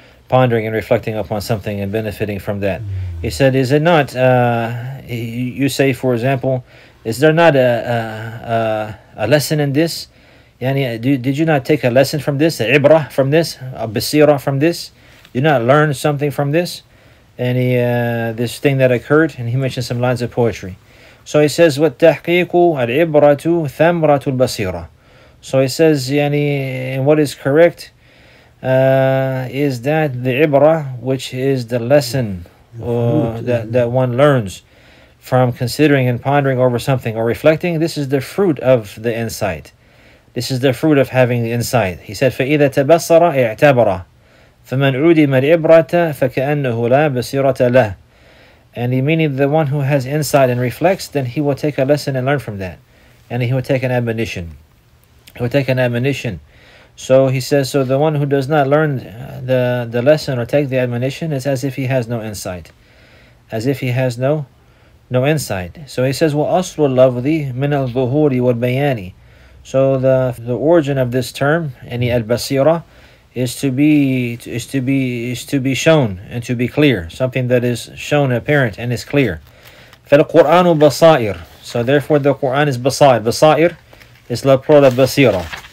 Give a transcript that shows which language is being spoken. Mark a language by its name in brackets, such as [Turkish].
[English] pondering and reflecting upon something and benefiting from that. He said, is it not, you say, for example, is there not a lesson in this? Yani, did you not take a lesson from this, a ibrah from this, a basira from this? Did you not learn something from this? And this thing that occurred, and he mentioned some lines of poetry. So he says, [Arabic] وَالتَّحْقِيقُ الْعِبْرَةُ ثَمْرَةُ الْبَصِيرَةُ. [English] So he says, yani, and what is correct is that the ibrah, which is the lesson that one learns from considering and pondering over something or reflecting, this is the fruit of the insight. This is the fruit of having the insight. He said, [Arabic] فَإِذَا تَبَصَّرَ اِعْتَبَرَ فَمَنْ عُدِمَ الْعِبْرَةَ فَكَأَنَّهُ لَا بَصِيرَةَ لَهُ. [English] And he meaning the one who has insight and reflects, then he will take a lesson and learn from that. And he will take an admonition. He will take an admonition. So he says, so the one who does not learn the lesson or take the admonition is as if he has no insight. As if he has no insight. So he says, [Arabic] وَأَصْلُ اللَّفْظِ مِنَ الظُّهُورِ وَالْبَيَانِ. [English] So the origin of this term, any al-basira, is to be shown and to be clear, something that is shown apparent and is clear. [Arabic] فَالْقُرْآنُ بَصَائِرُ. [English] So therefore the Quran is basair. Basair is la plural of basira.